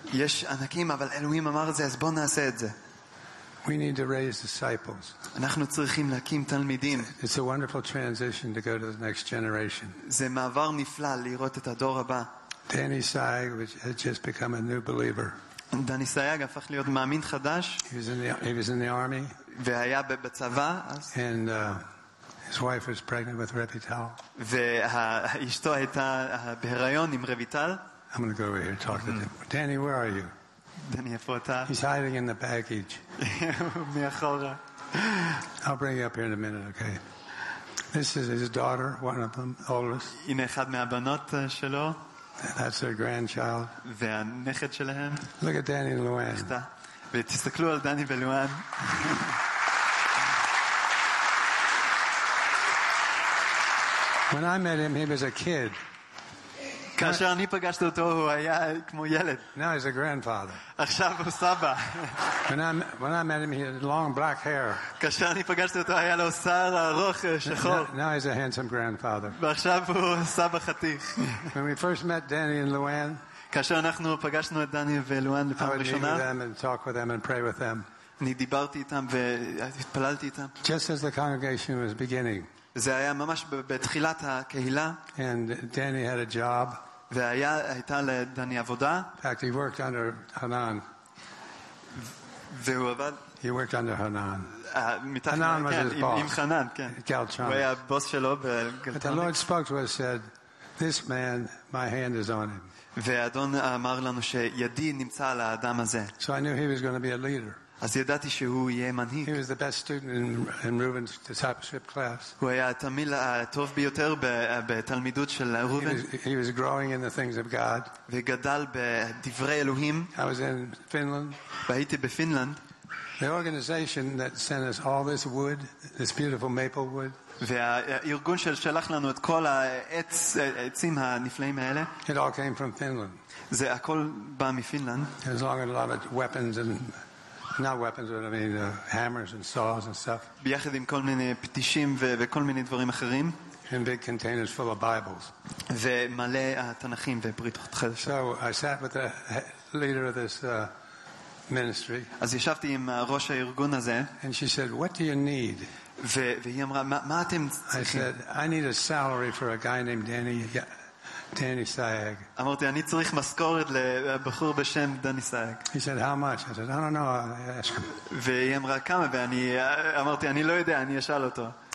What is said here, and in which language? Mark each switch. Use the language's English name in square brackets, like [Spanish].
[Hebrew] יש ענקים, אבל אלוהים אמר את זה, אז בוא נעשה את זה. [English] We need to raise disciples. [Hebrew] אנחנו צריכים להקים תלמידים. [English] It's a wonderful transition to go to the next generation. [Hebrew] זה מעבר נפלא לראות את הדור הבא. [English] Danny Sayag had just become a new believer. [Hebrew] דני סייג הפך להיות מאמין חדש. [English] He was in the army. [Hebrew] והיה בצבא אז. [English] And his wife was pregnant with Revital. [Hebrew] ואשתו הייתה בהיריון עם רויטל. [English] I'm going to go over here and talk to him. Danny, where are you? [Hebrew] Danny, איפה אתה? [English] He's hiding in the baggage. [Hebrew] מאחורה. [English] I'll bring you up here in a minute, okay? This is his daughter, one of them, oldest. [Hebrew] הנה אחד מהבנות שלו. [English] That's her grandchild. [Hebrew] והנכד שלהם. [English] Look at Danny and Luann. [Hebrew] ותסתכלו על דני ולואן. [English] When I met him, he was a kid. [Hebrew] כאשר אני פגשתי אותו, הוא היה כמו ילד. [English] Now he's a grandfather. [Hebrew] עכשיו הוא סבא. [English] When I met him, he had long black hair. [Hebrew] כאשר אני פגשתי אותו, היה לו שיער ארוך שחור. [English] Now he's a handsome grandfather. [Hebrew] ועכשיו הוא סבא חתיך. [English] When we first met Danny and Luann, [Hebrew] כאשר אנחנו פגשנו את דני ולואן לפעם ראשונה, [English] I would meet them and talk with them and pray with them. [Hebrew] אני דיברתי איתם והתפללתי איתם. [English] Just as the congregation was beginning. [Hebrew] זה היה ממש בתחילת הקהילה. [English] And Danny had a job. [Hebrew] והייתה לדני עבודה. [English] In fact, he worked under Hanan. He worked under Hanan. Hanan was his boss. [Hebrew] עם חנן, כן. [English] Galtronics. [Hebrew] הוא היה הבוס שלו בגלטרוניקס. [English] But the Lord spoke to us and said, "This man, my hand is on him." [Hebrew] והאדון אמר לנו שידי נמצא על האדם הזה. [English] So I knew he was going to be a leader. [Hebrew] אז ידעתי שהוא יהיה מנהיג. [English] He was the best student in Reuben's discipleship class. [Hebrew] הוא היה התלמיד הטוב ביותר בתלמידות של רובן. [English] He was growing in the things of God. [Hebrew] וגדל בדברי אלוהים. [English] I was in Finland. [Hebrew] והייתי בפינלנד. [English] The organization that sent us all this wood, this beautiful maple wood. [Hebrew] והארגון ששלח לנו את כל העצים הנפלאים האלה. [English] It all came from Finland. [Hebrew] זה הכל בא מפינלנד. [English] It was long and a lot of weapons and not weapons, but I mean hammers and saws and stuff. [Hebrew] ביחד עם כל מיני פטישים וכל מיני דברים אחרים. [English] And big containers full of Bibles. [Hebrew] ומלא התנכים ופריטות חדשה. [English] So I sat with the leader of this ministry. [Hebrew] אז ישבתי עם ראש הארגון הזה. [English] And she said, "What do you need?" [Hebrew] והיא אמרה, "מה אתם צריכים?" [English] I said, "I need a salary for a guy named Danny Sayag." [Hebrew] אמרתי, "אני צריך משכורת לבחור בשם דני סייג." [English] He said, "How much?" I said, "I don't know." [Hebrew] והיא אמרה, "כמה?" ואני אמרתי, "אני לא יודע, אני אשאל אותו."